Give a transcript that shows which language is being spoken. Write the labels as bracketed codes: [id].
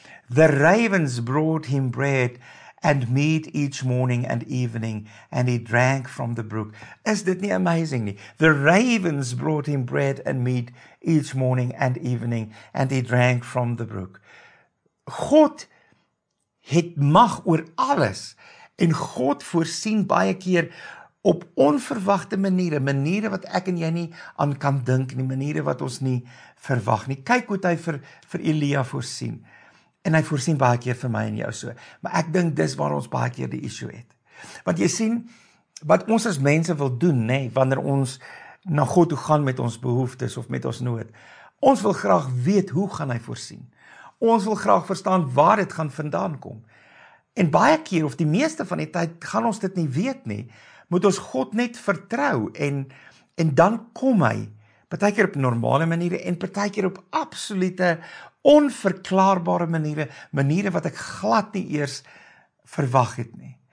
[en] The ravens brought him bread and meat each morning and evening and he drank from the brook. [af] Is dit nie amazing nie? [en] The ravens brought him bread and meat each morning and evening and he drank from the brook. [af] God het mag oor alles en God voorsien baie keer op onverwagte maniere wat ek en jy nie aan kan dink nie, maniere wat ons nie verwag nie. Kyk hoe hy vir Elia voorsien. En hy voorsien baie keer vir my en jou so. Maar ek dink dis waar ons baie keer die issue het. Want jy sien, wat ons as mense wil doen, nê, wanneer ons na God toe gaan met ons behoeftes of met ons nood. Ons wil graag weet hoe gaan hy voorsien. Ons wil graag verstaan waar dit gaan vandaan kom. En baie keer, of die meeste van die tyd, gaan ons dit nie weet nie. Moet ons God net vertrou en dan kom hy. Partykeer op normale maniere en partykeer op absolute onverklaarbare maniere wat ek glad nie eers verwag het nie.